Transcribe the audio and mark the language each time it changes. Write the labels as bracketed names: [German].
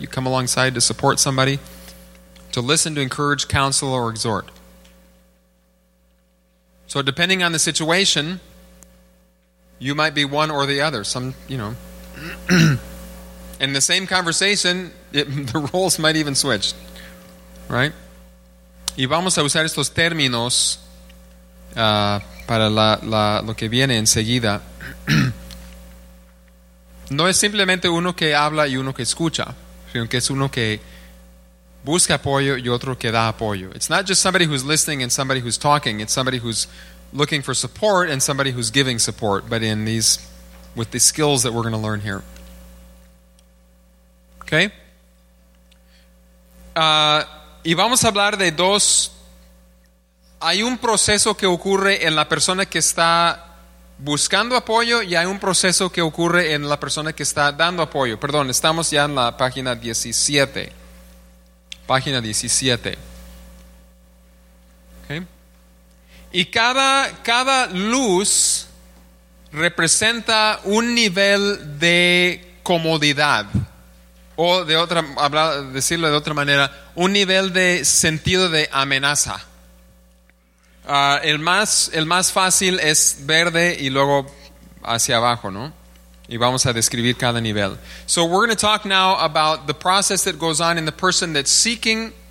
[English] You come alongside to support somebody, to listen, to encourage, counsel, or exhort. So depending on the situation, you might be one or the other. Some, you know, in the same conversation, the roles might even switch, right? [Spanish] Y vamos a usar estos términos para lo que viene enseguida. No es simplemente uno que habla y uno que escucha, sino que es uno que busca apoyo y otro que da apoyo. [English] It's not just somebody who's listening and somebody who's talking. It's somebody who's looking for support and somebody who's giving support, but in these, with the skills that we're going to learn here. Okay? [Spanish] Y vamos a hablar de dos. Hay un proceso que ocurre en la persona que está buscando apoyo y hay un proceso que ocurre en la persona que está dando apoyo. Perdón, estamos ya en la página 17. Página 17. Okay. Y cada luz representa un nivel de comodidad. O de otra, decirlo de otra manera, un nivel de sentido de amenaza. El más fácil es verde y luego hacia abajo, ¿no? Y vamos a describir cada nivel. [English] So we're going to talk now about the process that goes on in the person that's seeking